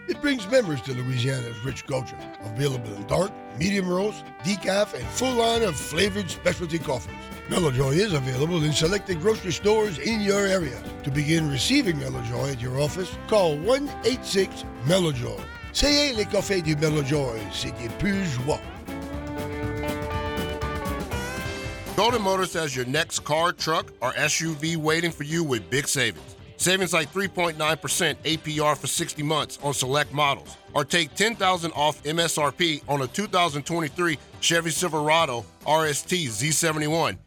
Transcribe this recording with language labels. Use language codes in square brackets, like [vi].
[en] It brings memories to Louisiana's rich culture. Available in dark, medium roast, decaf, and full line of flavored specialty coffees. Mellow Joy is available in selected grocery stores in your area. To begin receiving Mellow Joy at your office, call 1-866-MELLOWJOY. [fr] C'est le café du Mellow Joy, c'est du pur joie. [en] Golden Motors has your next car, truck, or SUV waiting for you with big savings. Savings like 3.9% APR for 60 months on select models. Or take $10,000 off MSRP on a 2023 Chevy Silverado RST Z71.